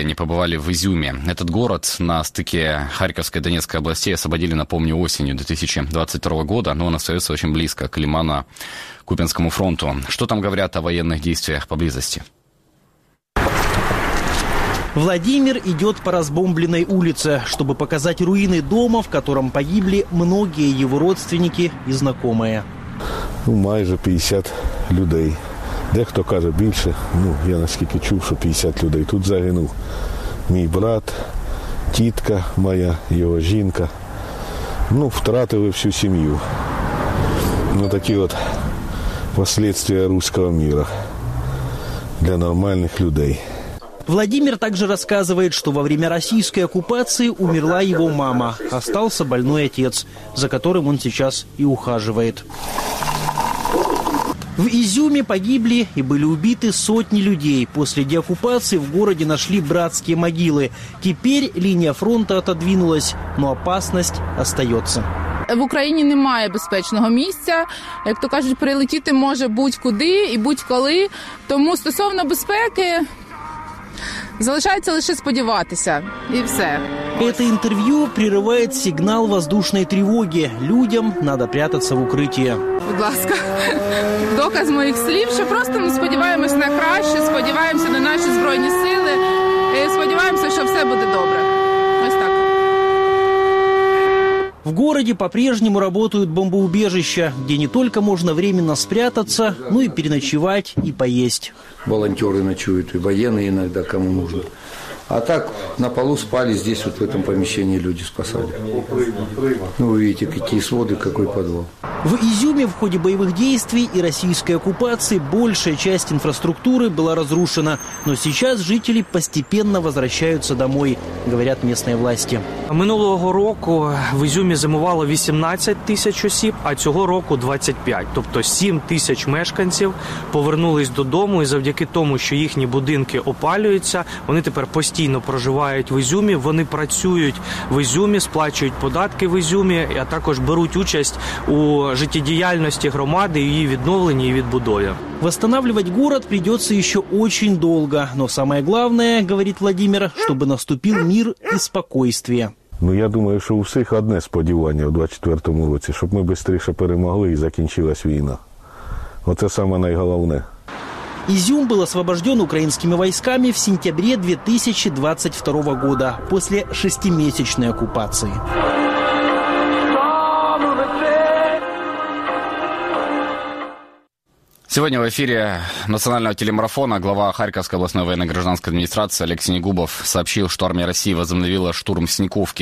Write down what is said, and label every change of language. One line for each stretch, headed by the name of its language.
Russian: Они побывали в Изюме. Этот город на стыке Харьковской и Донецкой областей освободили, напомню, осенью 2022 года, но он остается очень близко к Лимано-Купинскому фронту. Что там говорят о военных действиях поблизости? Владимир идет по разбомбленной улице, чтобы показать руины дома, в котором погибли многие его родственники и знакомые.
Ukrainian: Ну, майже 50 людей. Дехто каже більше, ну, я наскільки чув, що 50 людей тут загинув. Мій брат, тітка моя, його жінка. Ну, втратили всю сім'ю. Ну, такі от
Russian: последствия русского мира
Ukrainian: для нормальних людей.
Russian: Владимир также рассказывает, что во время российской оккупации умерла его мама. Остался больной отец, за которым он сейчас и ухаживает. В Изюме погибли и были убиты сотни людей. После деоккупации в городе нашли братские могилы. Теперь линия фронта отодвинулась, но опасность остается.
Ukrainian: В Україні немає безпечного місця. Як то кажуть, прилетіти може будь-куди і будь-коли. Тому стосовно безпеки залишається лише сподіватися. І все.
Russian: Это интервью прерывает сигнал воздушной тревоги. Людям надо прятаться в укрытие.
Ukrainian: Будь ласка, доказ
Russian: моих слов, что просто мы
Ukrainian: сподіваємось на краще, сподіваємося на наші збройні сили, и сподіваємося,
Russian: что все будет
Ukrainian: добре. Ось так.
Russian: В городе по-прежнему работают бомбоубежища, где не только можно временно спрятаться, но и переночевать и поесть. Волонтеры ночуют, и военные иногда, кому нужно. А так на полу спали, здесь вот в этом помещении люди спасали. Ну, вы видите, какие своды, какой подвал. В Изюме в ходе боевых действий и российской оккупации большая часть инфраструктуры была разрушена. Но сейчас жители постепенно возвращаются домой, говорят местные власти.
Ukrainian: Минулого року в Изюме зимовало 18 тысяч осіб, а цього року 25. Тобто 7 тисяч мешканців повернулись додому, і завдяки тому, що їхні будинки опалюються, вони тепер постійно проживають в Ізюмі, вони працюють в Ізюмі, сплачують податки в Ізюмі, а також беруть участь у життєдіяльності громади, її відновленні і відбудові.
Russian: Восстанавливать город придется еще очень долго, но самое главное, говорит Владимир, чтобы наступил мир и спокойствие.
Ukrainian: Ну, я думаю, що у всіх одне сподівання у 24-му році, щоб ми швидше перемогли і закінчилась війна. Оце саме найголовне.
Russian: Изюм был освобожден украинскими войсками в сентябре 2022 года после шестимесячной оккупации. Сегодня в эфире национального телемарафона глава Харьковской областной военно-гражданской администрации Алексей Негубов сообщил, что армия России возобновила штурм Синьковки.